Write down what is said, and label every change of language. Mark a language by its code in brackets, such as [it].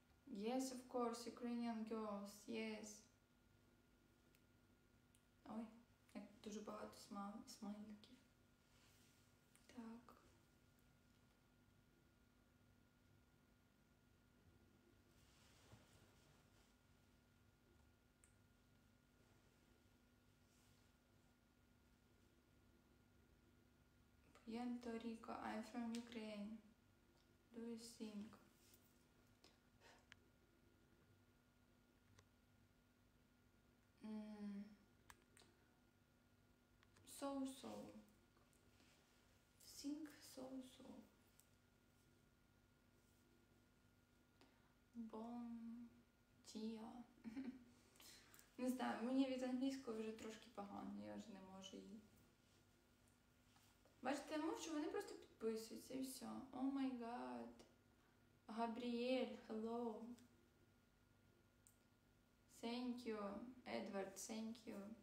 [en] Yes, of course, Ukrainian girls, yes. [uk] Ой, як дуже багато смайликів. Так. [en] Puerto Rico, I'm from Ukraine. Do you think? So-so. Think so-so. [ca] Bon dia. [uk] Не знаю, мені від англійського вже трошки погано, я вже не можу її. Бачите, я мовчу, вони просто підписуються і все. [en] О май гад. Габріель, hello. Thank you, Edward, thank you.